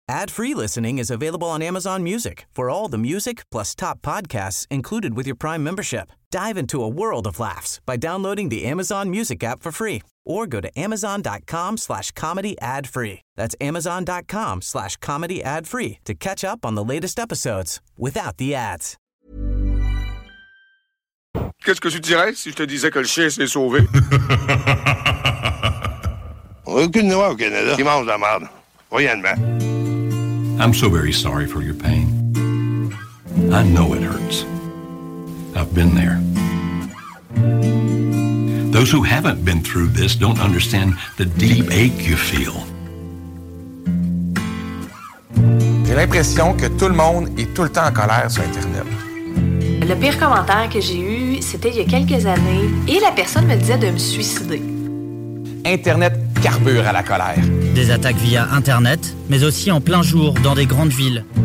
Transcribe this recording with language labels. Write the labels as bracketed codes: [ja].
[en] Ad-free listening is available on Amazon Music for all the music plus top podcasts included with your Prime membership. Dive into a world of laughs by downloading the Amazon Music app for free or go to amazon.com/comedyadfree. That's amazon.com/comedyadfree to catch up on the latest episodes without the ads. [fr] Qu'est-ce que tu dirais si je te disais que le chien s'est sauvé? Aucune loi au Canada. Qui mange la merde? Voyez-moi. [en] I'm so very sorry for your pain. I know it hurts. I've been there. Those who haven't been through this don't understand the deep ache you feel. [fr] J'ai l'impression que tout le monde est tout le temps en colère sur Internet. Le pire commentaire que j'ai eu, c'était il y a quelques années, et la personne me disait de me suicider. Internet carbure à la colère. Des attaques via Internet, mais aussi en plein jour dans des grandes villes.